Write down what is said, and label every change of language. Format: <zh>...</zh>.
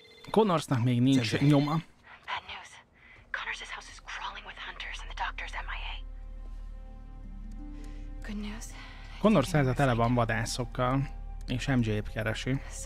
<hu>Connorsnak még nincs nyoma.</hu> <en>Bad news. Connors' house is crawling with hunters and the doctor's MIA. Good news.</en> <hu>Connors háza tele van vadászokkal, és MJ-t keresi.</hu>